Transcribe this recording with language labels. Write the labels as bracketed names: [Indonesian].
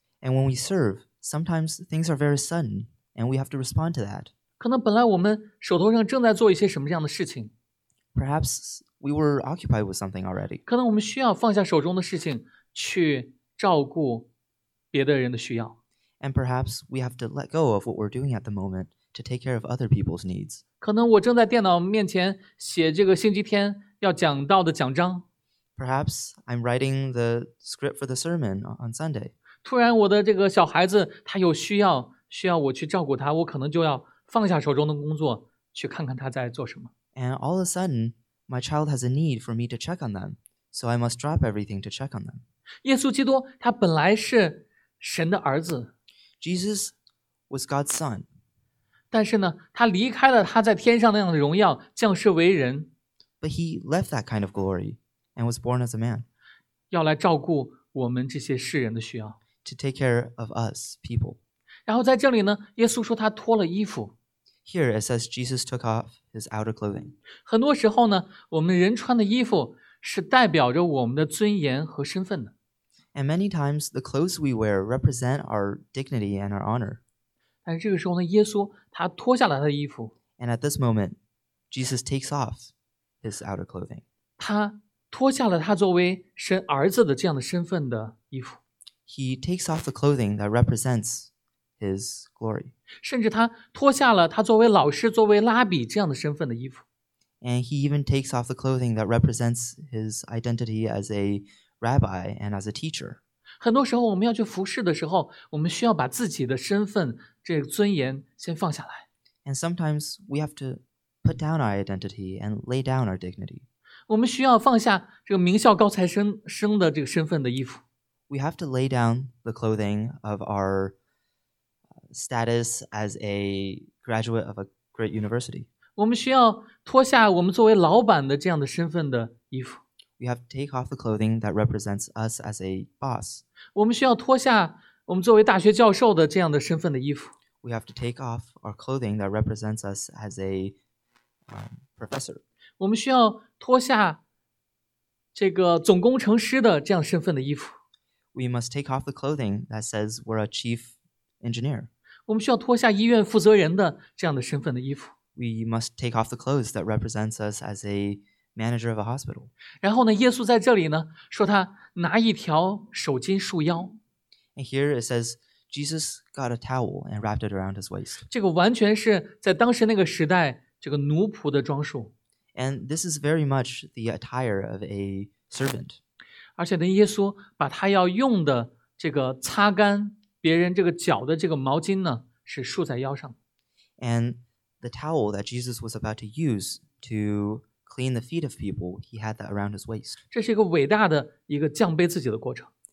[English] And when we serve, sometimes things are very sudden, and we have to respond to that. [Chinese] 可能本来我们手头上正在做一些什么样的事情。 [English] Perhaps we were occupied with something already. [Chinese] 可能我们需要放下手中的事情去照顾别的人的需要。 [English] And perhaps we have to let go of what we're doing at the moment to take care of other people's needs. [Chinese] 可能我正在电脑面前写这个星期天要讲到的讲章。 [English] Perhaps I'm writing the script for the sermon on Sunday. [Chinese] 突然我的这个小孩子他有需要，需要我去照顾他，我可能就要放下手中的工作，去看看他在做什么。 [English] And all of a sudden, my child has a need for me to check on them, so I must drop everything to check on them. [Chinese] 耶稣基督他本来是神的儿子。 [English] Jesus was God's son. [Chinese] 但是呢，他离开了他在天上那样的荣耀，降世为人。 [English] But he left that kind of glory and was born as a man. [Chinese] 要来照顾我们这些世人的需要。 [English] To take care of us people. [Chinese] 然后在这里呢，耶稣说他脱了衣服。 [English] Here it says Jesus took off his outer clothing. [Chinese] 很多时候呢，我们人穿的衣服是代表着我们的尊严和身份的。 [English] And many times the clothes we wear represent our dignity and our honor. [Chinese] 但是这个时候呢，耶稣他脱下了他的衣服。 [English] And at this moment, Jesus takes off his outer clothing. [Chinese] 他脱下了他作为神儿子的这样的身份的衣服。 [English] He takes off the clothing that represents His glory. [Chinese] 甚至他脱下了他作为老师、作为拉比这样的身份的衣服。 [English] And he even takes off the clothing that represents his identity as a rabbi and as a teacher. [Chinese] 很多时候我们要去服侍的时候，我们需要把自己的身份、这个尊严先放下来。 [English] And sometimes we have to put down our identity and lay down our dignity. [Chinese] 我们需要放下这个名校高材生生的这个身份的衣服。 [English] We have to lay down the clothing of our status as a graduate of a great university. [Chinese] 我们需要脱下我们作为老板的这样的身份的衣服。 [English] We have to take off the clothing that represents us as a boss. [Chinese] 我们需要脱下我们作为大学教授的这样的身份的衣服。 [English] We have to take off our clothing that represents us as a professor. [Chinese] 我们需要脱下这个总工程师的这样身份的衣服。 [English] We must take off the clothing that says we're a chief engineer. [Chinese] 我们需要脱下医院负责人的这样的身份的衣服。 [English] We must take off the clothes that represents us as a manager of a hospital. [Chinese] 然后呢，耶稣在这里呢，说他拿一条手巾束腰。 [English] And here it says, Jesus got a towel and wrapped it around his waist. [Chinese] 这个完全是在当时那个时代这个奴仆的装束。 [English] And this is very much the attire of a servant. [Chinese] 而且呢，耶稣把他要用的这个擦干别人这个脚的这个毛巾呢，是束在腰上。 [English] And the towel that Jesus was about to use to clean the feet of people, he had that around his waist. [Chinese] 这是一个伟大的一个降卑自己的过程。